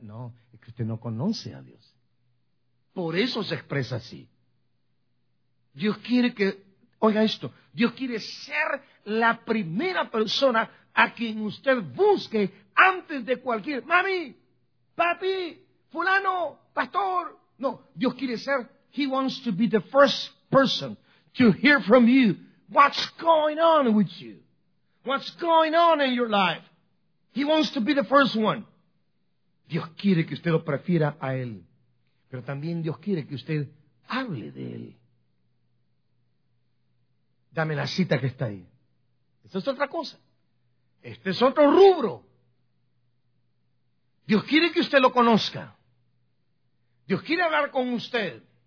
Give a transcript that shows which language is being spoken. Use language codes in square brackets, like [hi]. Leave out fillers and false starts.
[es] No, es que usted no conoce a Dios. Por eso se expresa así. Dios quiere que, oiga esto, Dios quiere ser la primera persona a quien usted busque antes de cualquier, mami, papi, fulano, pastor. No, Dios quiere ser, [en] He wants to be the first person to hear from you. What's going on with you? What's going on in your life? He wants to be the first one. [es] Dios quiere que usted lo prefiera a Él. Pero también Dios quiere que usted hable de Él. Dame la cita que está ahí. Esa es otra cosa. Este es otro rubro. Dios quiere que usted lo conozca. Dios quiere hablar con usted.